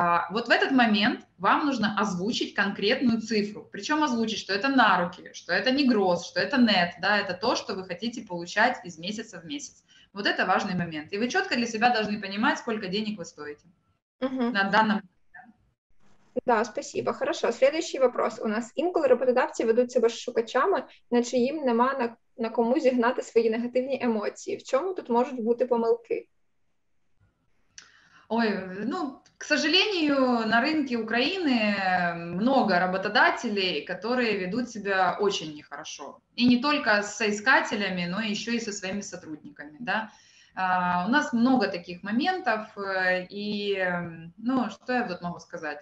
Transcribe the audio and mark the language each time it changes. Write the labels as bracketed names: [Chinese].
[Russian] Вот в этот момент вам нужно озвучить конкретную цифру, причем озвучить, что это на руки, что это не гросс, что это нет, да, это то, что вы хотите получать из месяца в месяц. Вот это важный момент. И вы четко для себя должны понимать, сколько денег вы стоите на данном уровне. Да, спасибо. Хорошо. Следующий вопрос. [Ukrainian] У нас інколи роботодавці ведуть себе шукачами, наче їм нема на кому зігнати свої негативні емоції. В чому тут можуть бути помилки? [Russian] Ой, ну, к сожалению, на рынке Украины много работодателей, которые ведут себя очень нехорошо. И не только с соискателями, но еще и со своими сотрудниками, да? У нас много таких моментов, и, ну, что я тут могу сказать?